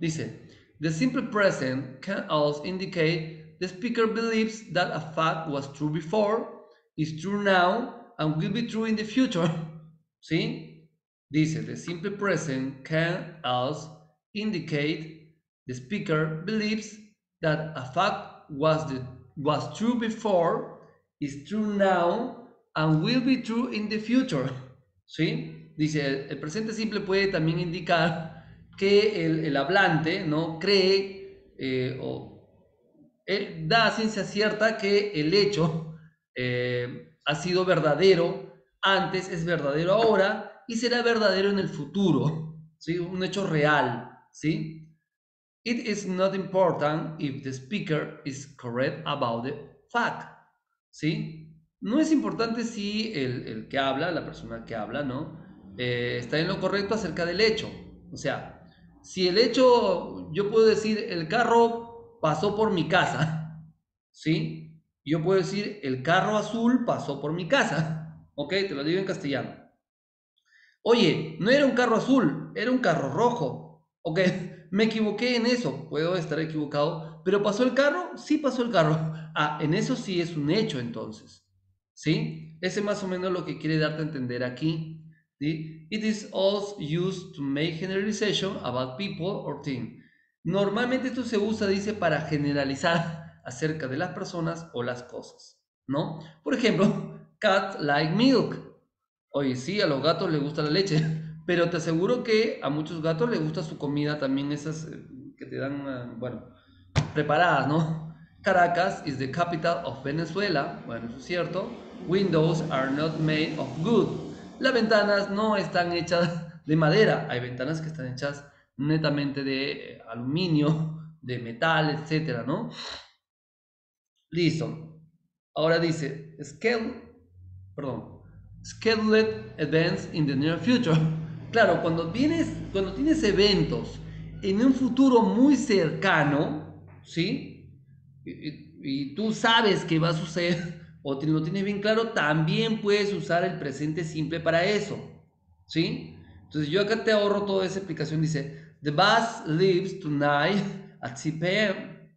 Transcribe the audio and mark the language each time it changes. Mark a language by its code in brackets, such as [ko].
[es] Dice, [en] the simple present can also indicate the speaker believes that a fact was true before, is true now, and will be true in the future. [es] ¿Sí? Dice, [en] the simple present can also indicate the speaker believes that a fact was true before, is true now, and will be true in the future. [es] ¿Sí? Dice, el presente simple puede también indicar que el hablante no cree o da ciencia cierta que el hecho ha sido verdadero antes, es verdadero ahora y será verdadero en el futuro. ¿Sí? Un hecho real. ¿Sí? [en] It is not important if the speaker is correct about the fact. [es] ¿Sí? No es importante si el que habla, la persona que habla, ¿no? Está en lo correcto acerca del hecho. O sea, si el hecho, yo puedo decir, el carro pasó por mi casa, ¿sí? Yo puedo decir, el carro azul pasó por mi casa, ¿ok? Te lo digo en castellano. Oye, no era un carro azul, era un carro rojo, ¿ok? Me equivoqué en eso, puedo estar equivocado, pero ¿pasó el carro? Sí, pasó el carro. Ah, en eso sí es un hecho, entonces. ¿Sí? Ese es más o menos lo que quiere darte a entender aquí. ¿Sí? [en] It is also used to make generalization about people or things. [es] Normalmente esto se usa, dice, para generalizar acerca de las personas o las cosas, ¿no? Por ejemplo, [en] cats like milk. [es] Oye, sí, a los gatos les gusta la leche, pero te aseguro que a muchos gatos les gusta su comida también, esas que te dan, bueno, preparadas, ¿no? [en] Caracas is the capital of Venezuela. [es] Bueno, eso es cierto. [en] Windows are not made of wood. [es] Las ventanas no están hechas de madera. Hay ventanas que están hechas netamente de aluminio, de metal, etcétera, ¿no? Listo. Ahora dice, [en] scheduled events in the near future. [es] Claro, cuando tienes eventos en un futuro muy cercano, ¿sí? Y tú sabes qué va a suceder o lo tienes bien claro, también puedes usar el presente simple para eso. ¿Sí? Entonces yo acá te ahorro toda esa explicación. Dice, [en] the bus leaves tonight at 6 p.m.